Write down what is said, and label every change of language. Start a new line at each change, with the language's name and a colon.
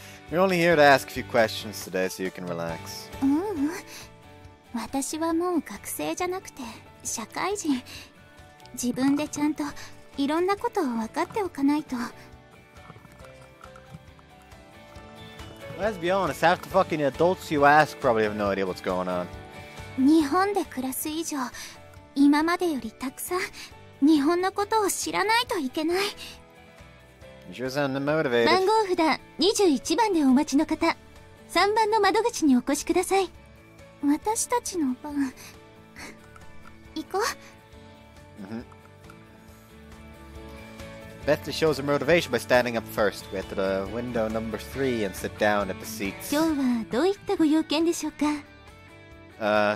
English: You're only here to ask a few questions today, so you can relax. Let's be honest, half the fucking adults you ask probably have no idea what's going on.
Japanese: 日本で暮らす以上、今までよりたくさん 日本のことを知らないといけない。
English: You sound motivated.
Japanese: 番号札 21番 でお待ちの方 3番 の窓口にお越しください。私たちの番 行こう。
English: Bethly shows her motivation by standing up first. We enter the window number 3 and sit down at the seats.
Japanese: 今日はどういったご用件でしょうか?